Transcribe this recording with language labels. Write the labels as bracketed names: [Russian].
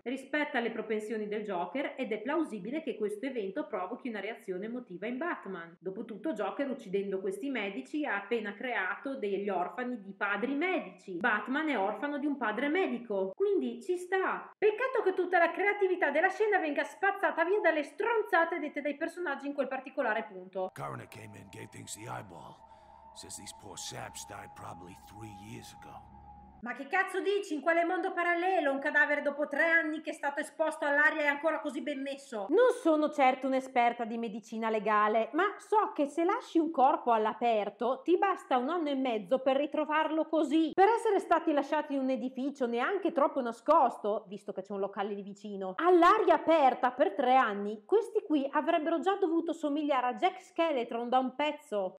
[Italian] Rispetta le propensioni del Joker ed è plausibile che questo evento provochi una reazione emotiva in Batman. Dopotutto Joker, uccidendo questi medici, ha appena creato degli orfani di padri medici. Batman è orfano di un padre medico, quindi ci sta. Peccato che tutta la creatività della scena venga spazzata via dalle stronzate dette dai personaggi in quel particolare punto. [English] Coroner came in, gave things the eyeball. Says these poor saps died probably 3 years ago. [Italian] Ma che cazzo dici? In quale mondo parallelo un cadavere dopo 3 anni che è stato esposto all'aria è ancora così ben messo? Non sono certo un'esperta di medicina legale, ma so che se lasci un corpo all'aperto ti basta 1 anno e mezzo per ritrovarlo così. Per essere stati lasciati in un edificio neanche troppo nascosto, visto che c'è un locale lì vicino, all'aria aperta per 3 anni, questi qui avrebbero già dovuto somigliare a Jack Skeleton da un pezzo.